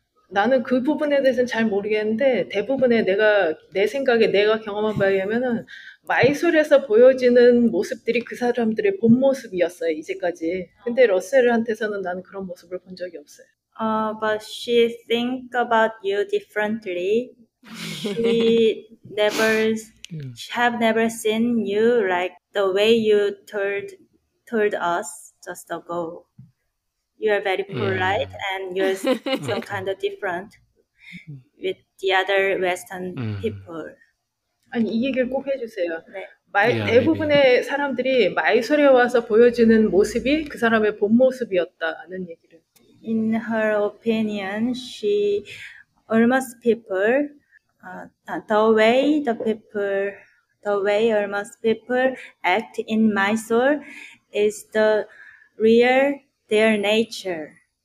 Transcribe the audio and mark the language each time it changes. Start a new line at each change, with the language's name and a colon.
Korean: 나는 그 부분에 대해서는 잘 모르겠는데 대부분의 내가 내 생각에 내가 경험한 바에 의하면은 마이솔에서 보여지는 모습들이 그 사람들의 본 모습이었어요 이제까지. 근데 러셀한테서는 나는 그런 모습을 본 적이 없어요.
English: But she think about you differently. She never have never seen you like the way you told us just ago. You are very polite and you're some kind of different with the other Western people.
Korean: 아니 이 얘기를 꼭 해주세요. 네. 대부분의 maybe. 사람들이 마이솔에 와서 보여주는 모습이 그 사람의 본 모습이었다는 얘기를.
English: In her opinion, she almost people the way the people The way almost people act in Mysore is the real their nature.